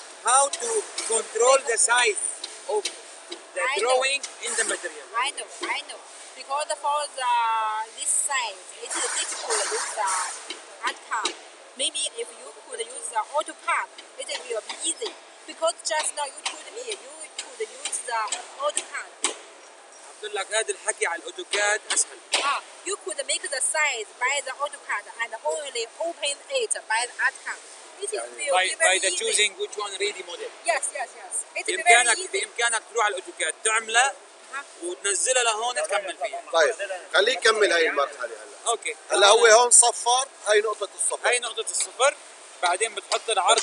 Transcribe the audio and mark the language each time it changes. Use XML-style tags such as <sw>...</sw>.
<en>How to control the size of the drawing in the material? I know. Because for the this size, it is difficult to use the Artcam. Maybe if you could use the AutoCAD, it will be easy. Because just now you told me you could use the AutoCAD.</en> <ar>أقول لك هذا الحكي على AutoCAD أسهل.</ar> <en>You could make the size by the AutoCAD and only open it by the Artcam. It will be very easy. By the choosing which one ready model. Yes. It will be very easy.</en> <ar>بإمكانك تروح على AutoCAD تعمله وتنزله لهون تكمل فيه. طيب خليه يكمل هاي المرحلة هلا. أوكي. هلا هو هون صفر هاي نقطة الصفر. هاي نقطة الصفر بعدين بتحط العرض.</ar>